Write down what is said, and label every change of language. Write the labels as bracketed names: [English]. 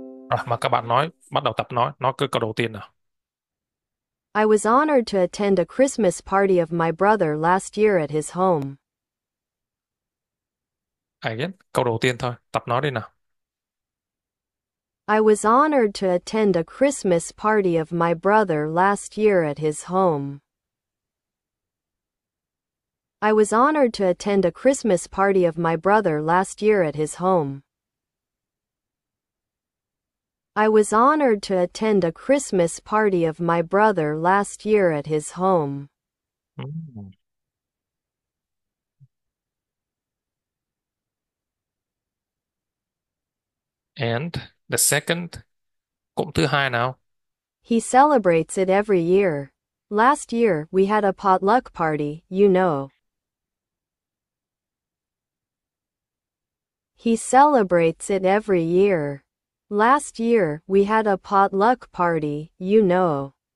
[Vietnamese] À, mà các bạn nói, bắt đầu tập nói cứ câu đầu tiên nào. [English] I was honored to attend a Christmas party of my brother last year at his home. I guess, [Vietnamese] câu đầu tiên thôi, tập nói đi nào. [English] I was honored to attend a Christmas party of my brother last year at his home. I was honored to attend a Christmas party of my brother last year at his home. I was honored to attend a Christmas party of my brother last year at his home. And the second, [Vietnamese] cụm thứ hai nào. [English] He celebrates it every year. Last year, we had a potluck party, you know. He celebrates it every year. Last year, we had a potluck party, you know.